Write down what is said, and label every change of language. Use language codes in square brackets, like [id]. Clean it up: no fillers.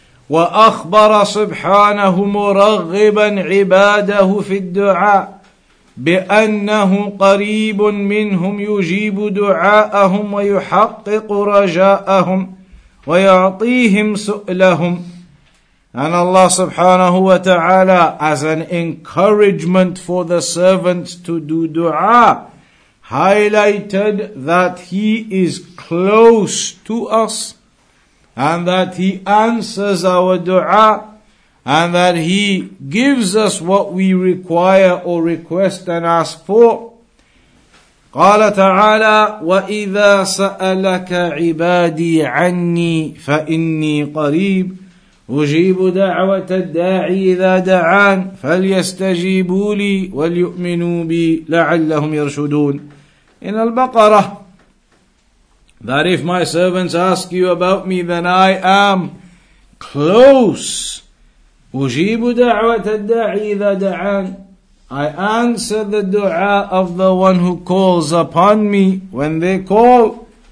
[ar] وأخبر سبحانه مرغبا عباده في الدعاء بأنه قريب منهم يجيب دعاءهم ويحقق رجاءهم ويعطيهم سؤلهم. [en] And Allah subhanahu wa ta'ala, as an encouragement for the servants to do dua, highlighted that He is close to us, and that He answers our dua, and that He gives us what we require or request and ask for. [ar] قال تعالى وإذا سألك عبادي عني فإني قريب أجيب دعوة الداعي إذا دعان فليستجيبوا لي وليؤمنوا بي لعلهم يرشدون. [en] In Al-Baqarah, that if my servants ask you about me, then I am close. [ar] أُجِيبُ دَعْوَةَ الدَّاعِي إِذَا دَعَان, [en] I answer the dua of the one who calls upon me when they call.